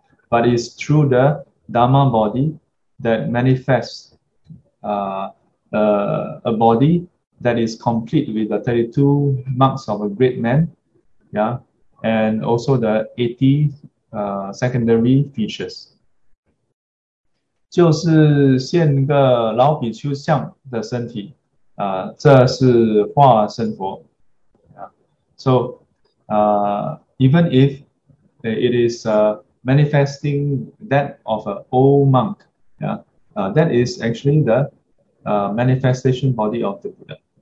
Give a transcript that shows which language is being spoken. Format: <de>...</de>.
<en>But it's through the Dhamma body that manifests a body that is complete with the 32 marks of a great man, yeah, and also the 80 secondary features.</en> <zh>就是现个老比丘像的身体, 这是化身佛.</zh> <en>So, even if it is manifesting that of an old monk, yeah, that is actually the manifestation body of the Buddha.</en>